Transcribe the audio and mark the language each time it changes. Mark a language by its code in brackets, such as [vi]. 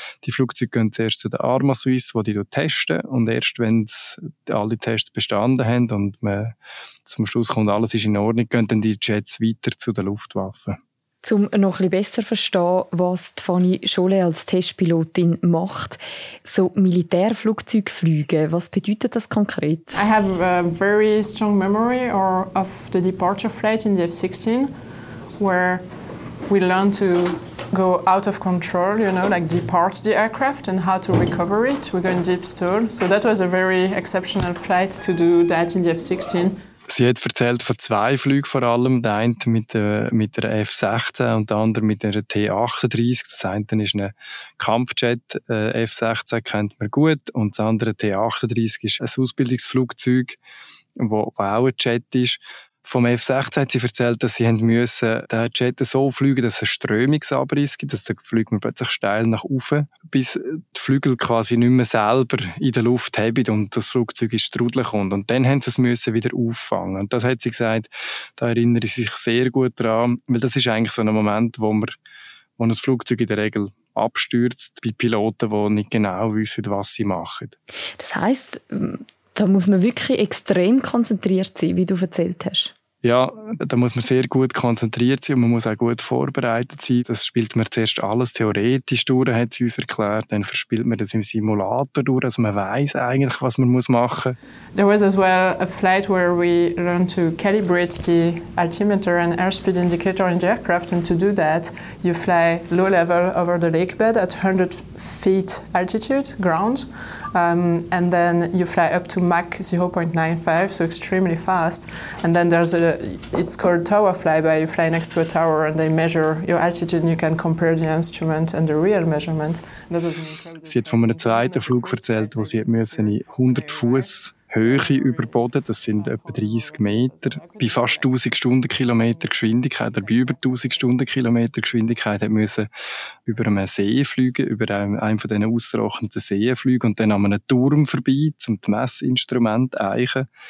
[de] Die Flugzeuge gehen zuerst zu der Arma Swiss, wo die dort testen. Und erst wenn alle Tests bestanden haben und man zum Schluss kommt, alles ist in Ordnung, gehen dann die Jets weiter zu der Luftwaffe. Um noch ein bisschen besser zu verstehen, was Fanny Scholle als Testpilotin macht, so Militärflugzeuge fliegen, was bedeutet das konkret? [en] I have a very strong memory of the departure flight in the F-16, where we learn to go out of control, you know, like depart the aircraft and how to recover it. We go in deep stall. So that was a very exceptional flight to do that in the F-16. [de] Sie hat erzählt von zwei Flügen vor allem, der eine mit der F-16 und der andere mit der T-38. Das eine ist ein Kampfjet, F-16 kennt man gut, und das andere T-38 ist ein Ausbildungsflugzeug, das auch ein Jet ist. Vom F-16 hat sie erzählt, dass sie müssen den Jet so fliegen, dass es einen Strömungsabriss gibt. Also fliegt man plötzlich steil nach oben, bis die Flügel quasi nicht mehr selber in der Luft haben und das Flugzeug ist strudeln kommt. Und dann haben sie es müssen wieder auffangen. Und das hat sie gesagt, da erinnere ich sich sehr gut dran, weil das ist eigentlich so ein Moment, wo das Flugzeug in der Regel abstürzt bei Piloten, die nicht genau wissen, was sie machen. Das heisst, da muss man wirklich extrem konzentriert sein, wie du erzählt hast. Ja, da muss man sehr gut konzentriert sein und man muss auch gut vorbereitet sein. Das spielt man zuerst alles theoretisch durch, hat sie uns erklärt. Dann verspielt man das im Simulator durch, also man weiß eigentlich, was man machen muss. [en] There was as well a flight where we learned to calibrate the altimeter and airspeed indicator in the aircraft. And to do that, you fly low level over the lake bed at 100 feet altitude, ground. And then you fly up to Mach 0.95, so extremely fast. And then it's called tower flyby. You fly next to a tower and they measure your altitude and you can compare the instrument and the real measurement. That was an incredible. [de] Sie hat von einem zweiten Flug erzählt, wo sie müssen in 100 Fuß Höhe über Boden, das sind etwa 30 Meter. Bei fast 1000 Stundenkilometer Geschwindigkeit oder bei über 1000 Stundenkilometer Geschwindigkeit musste über einem See fliegen, über einen von diesen ausgerochneten Seen fliegen und dann an einem Turm vorbei, um die Messinstrumente eichen.